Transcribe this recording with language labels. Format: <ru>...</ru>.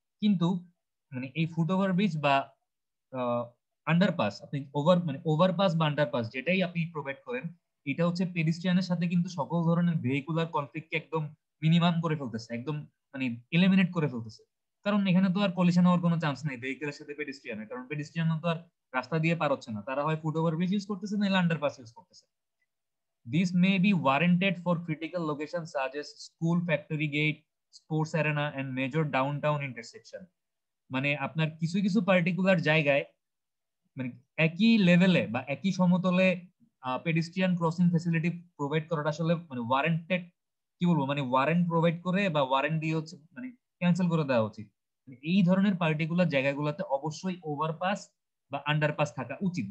<bn>কিন্তু মানে এই ফুটওভার ব্রিজ বা আন্ডারপাস আপনি ওভার মানে ওভারপাস বা আন্ডারপাস যেটাই আপনি প্রোভাইড করেন, এটা হচ্ছে পেডিস্ট্রিয়ানের সাথে কিন্তু সকল ধরনের ভেহিকুলার কনফ্লিক্টকে একদম মিনিমাম করে ফেলতেছে, একদম মানে এলিমিনেট করে ফেলতেছে। কারণ এখানে তো আর কলিশন হওয়ার কোনো চান্স নেই ভেহিকুলের সাথে পেডিস্ট্রিয়ানের, কারণ পেডিস্ট্রিয়ানও তো আর রাস্তা দিয়ে পার হচ্ছে না, তারা হয় ফুটওভার ব্রিজ ইউজ করতেছে নাহলে আন্ডারপাস ইউজ করতেছে।</bn> <en>This may be warranted for critical locations such as school, factory gate, sports arena and major downtown intersection.</en> <bn>মানে আপনার কিছু কিছু পার্টিকুলার জায়গায় মানে একই লেভেলে বা একই সমতলে পেডিস্ট্রিয়ান ক্রসিং ফেসিলিটি প্রোভাইড করাটা আসলে মানে ওয়ারেন্টেড কি বলবো মানে ওয়ারেন্ট প্রোভাইড করে বা ওয়ারেন্ট দিয়ে হচ্ছে মানে ক্যান্সেল করে দেওয়া উচিত। মানে এই ধরনের পার্টিকুলার জায়গাগুলোতে অবশ্যই ওভারপাস বা আন্ডারপাস থাকা উচিত।</bn>